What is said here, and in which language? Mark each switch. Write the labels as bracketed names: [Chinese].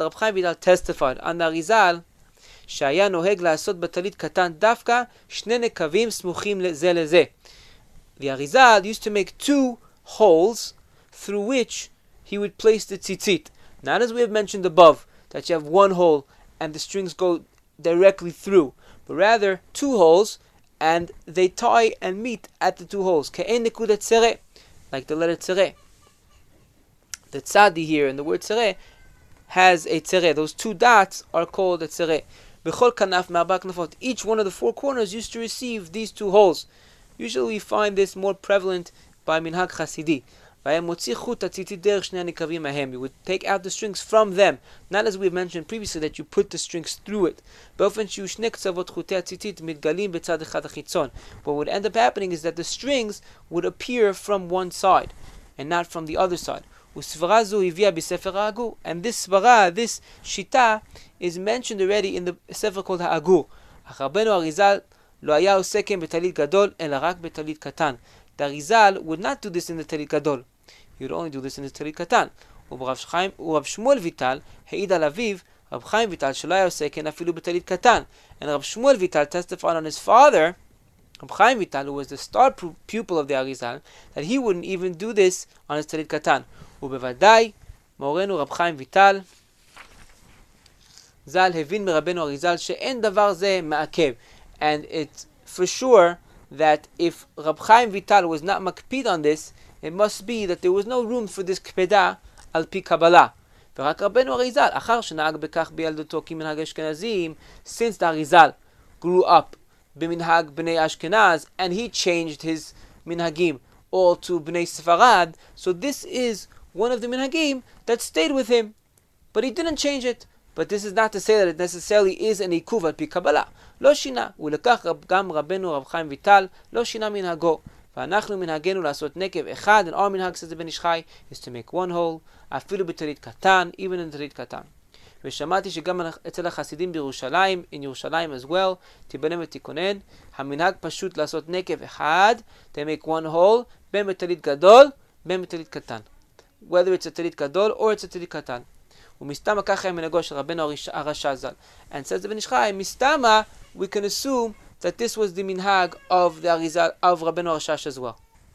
[English] Rav Chaim Vital testified on the Arizal [Hebrew] שהיה נוהג לעשות בטלית קטן דווקא שני נקבים סמוכים זה לזה. [English] The Arizal used to make two holes through which he would place the tzitzit. Not as we have mentioned above, that you have one hole and the strings go directly through, but rather two holes and they tie and meet at the two holes. [Hebrew] כאין נקודה צרה, [English] like the letter צרה. The tzadi here in the word צרה has a צרה. Those two dots are called a צרה. בכל כנף מארבע כנפות. Each one of the four corners used to receive these two holes. Usually we find this more prevalent by minhag chasidi. [Hebrew] והיה מוציא חוט הציצית דרך שני הנקבים ההם. [English] You would take out the strings from them. Not as we've mentioned previously that you put the strings through it. [Hebrew] באופן שיהיו שני קצוות חוטי הציצית מתגלים בצד אחד החיצון. [English] What would end up happening is that the strings would appear from one side and not from the other side. [Hebrew] וסברה זו הביאה בספר האגור. [English] And this סברה, this שיטה, is mentioned already in the ספר called האגור. [Hebrew] אך רבנו אריזל לא היה עוסקם בתלית גדול, אלא רק בתלית קטן. [English] The אריזל would not do this in the תלית גדול. He would only do this in the תלית קטן. [Hebrew] ורב שמואל ויטל העיד על אביו, רב חיים ויטל, שלא היה עוסקם אפילו בתלית קטן. [English] And רב שמואל ויטל testified on his father, רב חיים ויטל, who was the star pupil of the אריזל, that he wouldn't even do this on his תלית קטן. [Hebrew] ובוודאי, מורנו רב חיים ויטל, זל הבין מרבנו אריזל שאין דבר זה מעכב. [English] And it's for sure that if רב חיים ויטל was not מקפיד on this, it must be that there was no room for this קפדה על פי קבלה. [Hebrew] ורק רבנו אריזל, אחר שנהג בכך בילדותו כמנהג אשכנזים, [English] since the אריזל grew up במנהג בני אשכנז, and he changed his מנהגים all to בני ספרד, so this is one of the מנהגים that stayed with him, but he didn't change it. But this is not to say that it necessarily is an עיכוב על פי קבלה. [Hebrew] לא שינה, ולכך גם רבנו רב חיים ויטל לא שינה מנהגו. ואנחנו מנהגנו לעשות נקב אחד, [English] and our מנהג שזה בן ישחי, is to make one hole, [Hebrew] אפילו בתלית קטן, [English] even in תלית קטן. [Hebrew] ושמעתי שגם אצל החסידים בירושלים, [English] in ירושלים as well, [Hebrew] תיבנה ותיכונן, המנהג פשוט לעשות נקב אחד, [English] to make one hole, [Hebrew] בין בתלית גדול, בין בתלית קטן. [English] Whether it's a תלית גדול, or it's a תלית קטן. [Hebrew] ומסתמה ככה המנהגו של רבנו הרשע זל. [English] And says the בן ישחי, מסתמה, we can assume that this was the minhag of the Arizal, of Rabbeinu Arshash as well.